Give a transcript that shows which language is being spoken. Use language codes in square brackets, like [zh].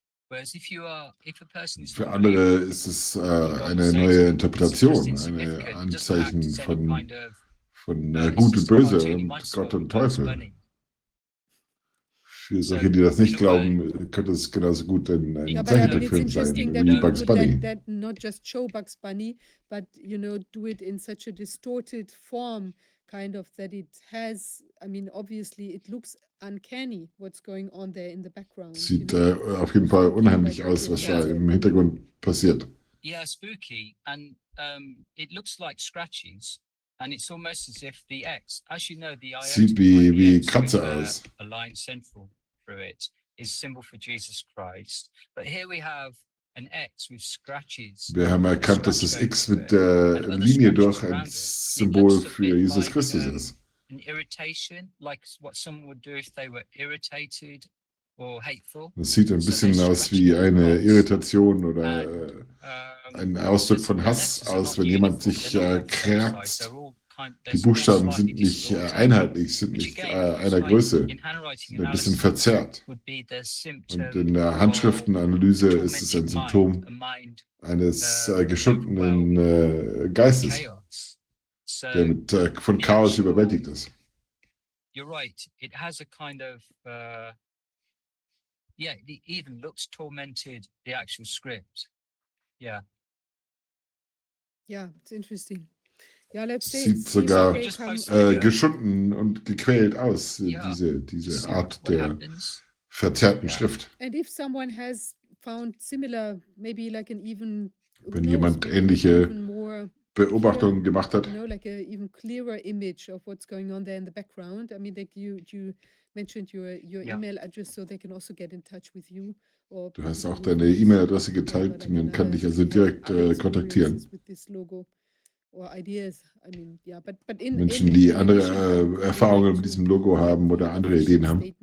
[de] Für andere ist es eine neue Interpretation, ein Anzeichen von Gut und Böse und Gott und Teufel. Für solche, die das nicht glauben, könnte es genauso gut ein Zeichentrickfilm sein, wie Bugs Bunny. [en] Not just show Bugs Bunny, but you know, do it in such a distorted form, kind of that it has. I mean, obviously, it looks uncanny what's going on there in the background. [de] Sieht auf jeden Fall unheimlich aus, was da im Hintergrund passiert. [en] Yeah, spooky, and it looks like scratches, and it's almost as if the X, as you know, the IOT. [de] Sieht wie Kratzer aus. [en] A line central through it is symbol for Jesus Christ, but here we have an X with scratches. [de] Wir haben erkannt, dass das X mit der Linie durch ein Symbol für Jesus Christus ist. [en] An irritation, like what someone would do if they were irritated or hateful. [de] Das sieht ein bisschen aus wie eine Irritation oder ein Ausdruck von Hass aus, wenn jemand sich kratzt. Die Buchstaben sind nicht einheitlich, sind nicht einer Größe, sind ein bisschen verzerrt. Und in der Handschriftenanalyse ist es ein Symptom eines geschundenen Geistes. der mit, von Chaos überwältigt ist. [en] You're right. It has a kind of yeah, it even looks tormented, the actual script. Yeah. Yeah, it's interesting. Yeah, let's see. [de] Sieht sogar geschunden und gequält aus, diese Art der verzerrten Schrift. [en] And if someone has found similar, maybe like an even, [de] wenn jemand ähnliche Beobachtungen gemacht hat. [en] You know, like a even clearer image of what's going on there in the background. I mean, like you mentioned your email address, so they can also get in touch with you. Or [de] du hast auch deine E-Mail-Adresse geteilt, [en] like [de] man kann dich also direkt kontaktieren. [en] With this logo or ideas. I mean, yeah, but in [de] Menschen, die andere Erfahrungen mit diesem Logo haben oder andere Ideen haben.